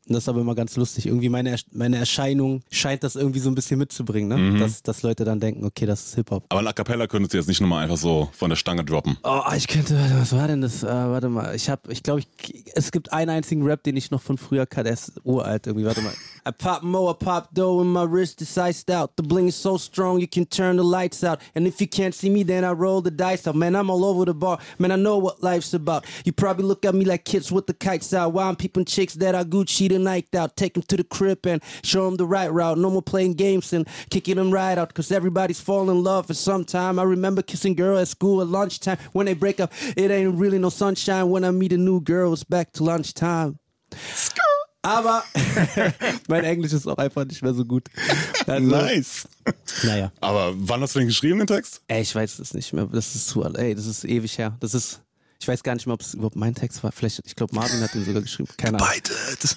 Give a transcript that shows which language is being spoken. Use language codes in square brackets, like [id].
[de] Und das ist aber immer ganz lustig. Irgendwie meine Erscheinung scheint das irgendwie so ein bisschen mitzubringen, ne? Dass Leute dann denken, okay, das ist Hip-Hop. Aber ein A Cappella könntest du jetzt nicht nochmal einfach so von der Stange droppen. Oh, ich könnte, was war denn das? Warte mal, ich glaube, es gibt einen einzigen Rap, den ich noch von früher kann, der ist uralt irgendwie, warte mal. [en] I pop more, I pop dough and my wrist is iced out. The bling is so strong, you can turn the lights out. And if you can't see me, then I roll the dice out. Man, I'm all over the bar, man, I know what life's about. You probably look at me like kids with the kites out. While I'm peeping chicks that are Gucci to Nike'd out. Take them to the crib and show them the right route. No more playing games and kicking them right out. Cause everybody's falling in love for some time. I remember kissing girl at school at lunchtime. When they break up, it ain't really no sunshine. When I meet a new girl, it's back to lunchtime. [de] Aber mein Englisch ist auch einfach nicht mehr so gut. Also, nice. Naja. Aber wann hast du denn geschrieben, den Text? Ey, ich weiß es nicht mehr. Das ist zu alt. Ey, das ist ewig her. Das ist, ich weiß gar nicht mehr, ob es überhaupt mein Text war. Vielleicht, ich glaube, Marvin hat ihn sogar geschrieben. Keine Ahnung. Gebeitet.